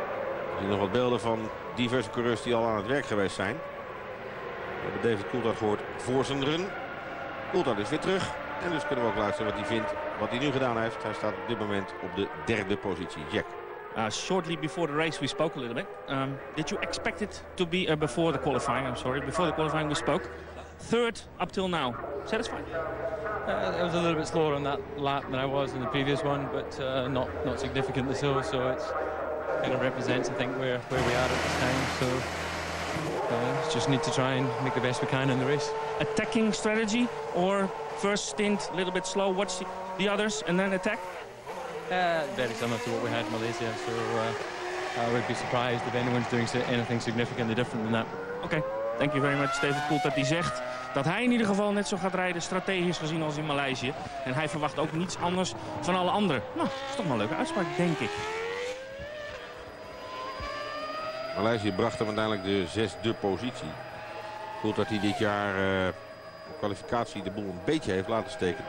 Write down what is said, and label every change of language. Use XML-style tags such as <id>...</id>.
<nl>We zien nog wat beelden van diverse coureurs die al aan het werk geweest zijn. We hebben David Coulthard gehoord voor zijn run. Coulthard is weer terug. En dus kunnen we ook luisteren wat hij vindt, wat hij nu gedaan heeft. Hij staat op dit moment op de 3e positie. Jack.</nl> <en>Shortly before the race, we spoke a little bit. Did you expect it to be before the qualifying? I'm sorry, before the qualifying we spoke. 3rd up till now. Satisfied? I was a little bit slower on that lap than I was in the previous one, but not significantly so. So it's kind of represents, I think, where we are at this time. So just need to try and make the best we can in the race. Attacking strategy or first stint a little bit slow, watch the others and then attack? Very similar to what we had in Malaysia. So I would be surprised if anyone's doing anything significantly different than that. Okay. Thank you very much,</en> <nl>David Coulthard, die zegt dat hij in ieder geval net zo gaat rijden, strategisch gezien, als in Maleisië. En hij verwacht ook niets anders van alle anderen. Nou, dat is toch wel een leuke uitspraak, denk ik. Maleisië bracht hem uiteindelijk de 6e positie. Coulthard die dit jaar de kwalificatie de boel een beetje heeft laten steken.</nl>